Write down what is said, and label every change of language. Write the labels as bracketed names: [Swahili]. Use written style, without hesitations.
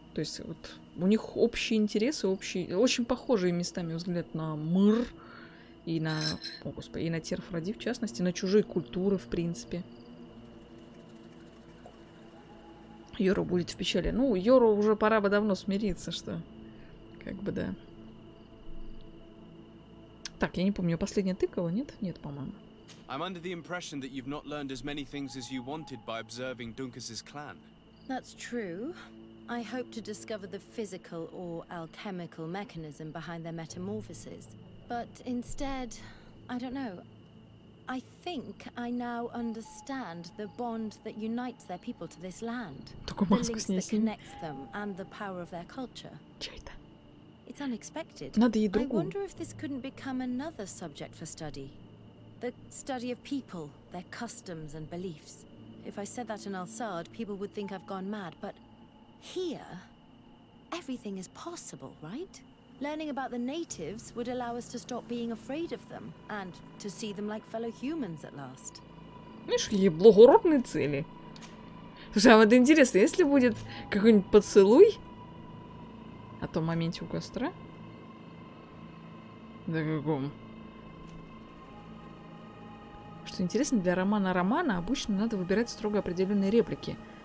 [Russian] То есть вот у них общие интересы, общие, очень похожие местами взгляд на мир и на, о господи, и на Тир-Фриди, в частности, на чужие культуры, в принципе. Йора будет в печали. Ну, Йору уже пора бы давно смириться, что как бы, да. Так, я не помню, последняя тыкала, нет? Нет, по-моему. [English] I'm under the impression that you've not learned as many things as you wanted by observing Dunkus's clan. That's true. I hope to discover the physical or alchemical mechanism behind their metamorphosis. But instead, I don't know. I think I now understand the bond that unites their people to this land. [Russian] Только маску снять. [English] The links that connect them and the power of their culture. [Russian] Чей-то. [English] It's unexpected. [Russian] Надо ей другую. [English] I wonder if this couldn't become another subject for study. The study of people, their customs and beliefs. If I said that in Al-Sad, people would think I've gone mad, but here, everything is possible, right? Learning about the natives would allow us to stop being afraid of them and to see them like fellow humans at last. [Russian] Видишь, ей благородные цели. Слушай, а вот интересно, если будет какой-нибудь поцелуй? О том моменте у костра? Да каком? Что интересно, для романа-романа обычно надо выбирать строго определенные реплики.